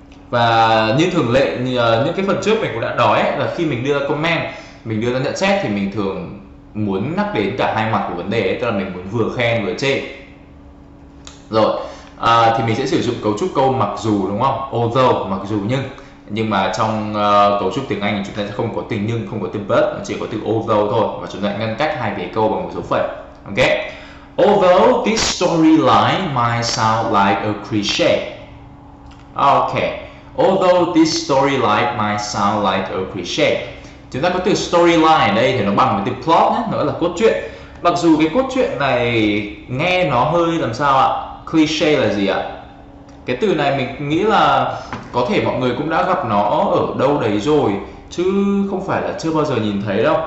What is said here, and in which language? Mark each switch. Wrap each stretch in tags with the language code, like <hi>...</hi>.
<vi>Và như thường lệ, những cái phần trước mình cũng đã nói ấy, là khi mình đưa ra comment, mình đưa ra nhận xét thì mình thường muốn nhắc đến cả hai mặt của vấn đề ấy, tức là mình muốn vừa khen vừa chê. Rồi, thì mình sẽ sử dụng cấu trúc câu mặc dù, đúng không? Although, mặc dù nhưng. Nhưng mà trong cấu trúc tiếng Anh chúng ta sẽ không có từ nhưng, không có từ but, chỉ có từ although thôi, và chúng ta ngăn cách hai vế câu bằng một dấu phẩy.</vi> <en>Ok. Although this storyline might sound like a cliche. Ok. Although this storyline might sound like a cliche.</en> <vi>Chúng ta có từ storyline ở đây thì nó bằng với từ plot nhé, nó là cốt truyện. Mặc dù cái cốt truyện này nghe nó hơi làm sao ạ? Cliche là gì ạ? Cái từ này mình nghĩ là có thể mọi người cũng đã gặp nó ở đâu đấy rồi, chứ không phải là chưa bao giờ nhìn thấy đâu.</vi>